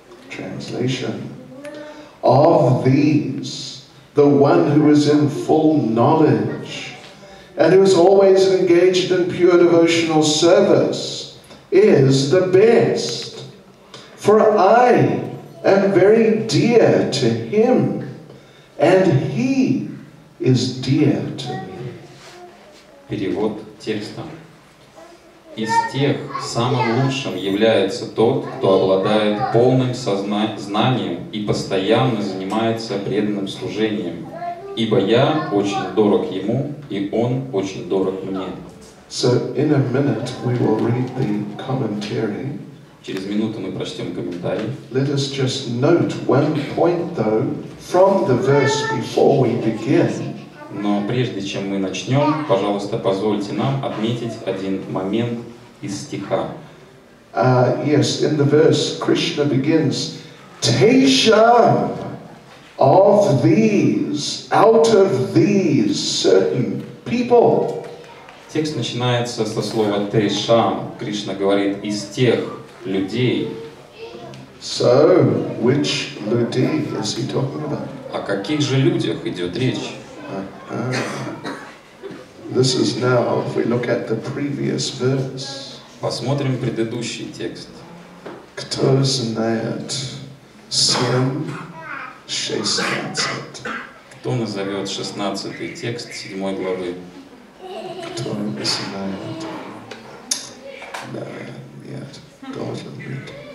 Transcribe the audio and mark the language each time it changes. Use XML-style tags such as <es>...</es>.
<en>Translation: of these, the one who is in full knowledge and who is always engaged in pure devotional service is the best, for I am very dear to him, and he is dear to me.</en> <ru>Перевод текста. Из тех самым лучшим является тот, кто обладает полным знанием и постоянно занимается преданным служением, ибо я очень дорог ему, и он очень дорог мне.</ru> <en>So in a minute we will read the commentary.</en> <ru>Через минуту мы прочтем комментарий.</ru> <en>Let us just note one point though from the verse before we begin.</en> <ru>Но прежде чем мы начнем, пожалуйста, позвольте нам отметить один момент из стиха.</ru> <en>Yes, in the verse Krishna begins, Tesha, of these, out of these certain people.</en> <ru>Текст начинается со слова «Тейшам». Кришна говорит «из тех людей».</ru> <en>So, which людей is he talking about?</en> <ru>О каких же людях идет речь?</ru> <en>This is now, if we look at the previous verse.</en> <ru>Посмотрим предыдущий текст. Кто знает Сам 16. Кто назовет 16 текст 7 главы? Кто начинает? Да, нет. Должен быть.</ru>